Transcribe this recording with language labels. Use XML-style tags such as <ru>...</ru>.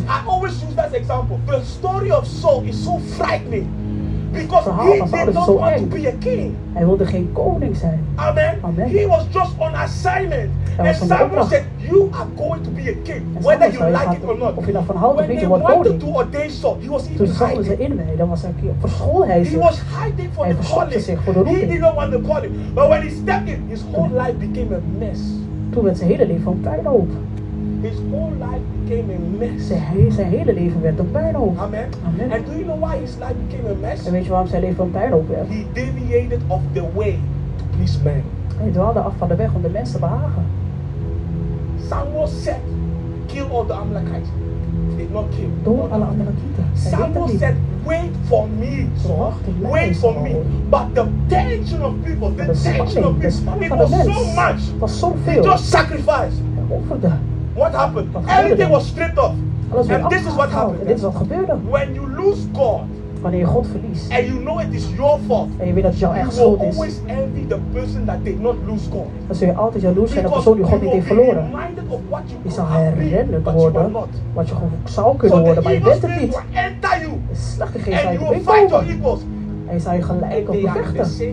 <en>I always use that example. The story of Saul is so frightening. Because</en> <nl>het verhaal van Saul is zo eng.</nl> <en>To be a king.</en> <nl>Hij wilde geen koning zijn.</nl> <en>Amen.</en> <nl>Amen.</nl> <en>He was just on assignment.</en> <nl>Hij was</nl> <en>and Samuel said, you are going to be a king. Whether you like it or not.</en> <nl>Of je daarvan houdt,</nl> <en>when</en> <nl>je wordt koning.</nl> <en>Wanted to ordain Saul, he was</en> <nl>toen Saul ze inwijden, dan was hij verschool hij zich.</nl> <en>He was hiding for</en> <nl>hij the verschoolde zich voor de roeping.</nl> <en>He did not want the calling. But when he stepped in, his whole life became a mess.</en> <nl>Toen werd zijn hele leven een puinhoop.</nl> <en>His whole life became a mess.</en> <nl>Zijn hele leven werd een puinhoop.</nl> <en>Amen.</en> <nl>Amen.</nl> <en>And do you know why his life became a mess?</en> <nl>En weet je waarom zijn leven een puinhoop werd?</nl> <en>He deviated off the way to please man.</en> <nl>Hij dwaalde af van de weg om de mensen te behagen.</nl> <en>Samuel said, kill all the Amalekites. Did not kill.</en> <nl>Door alle Amalekieten.</nl> <en>Samuel said, wait for me, Saul. Wait for me. But the tension of people, the tension of people, it was so much.</en> <nl>Het was zoveel.</nl> <en>He just sacrificed.</en> <nl>Hij offerde.</nl> <en>What happened? Everything was stripped off.</en> <nl>Alles</nl> <en>and this is what happened.</en> <nl>Dit is wat gebeurde.</nl> <en>When you lose God,</en> <nl>wanneer je God verliest.</nl> <en>And you know it is your fault.</en> <nl>En je weet dat het jouw eigen schuld is.</nl> <en>Always envy the person that did not lose God.</en> <nl>Dan zul je altijd jaloers zijn op de persoon die God niet heeft verloren. Je zal herinnerd worden wat je gewoon zou kunnen worden, maar je bent het niet. De slechte geest zal je bekomen. En je zal je gelijk op bevechten.</nl>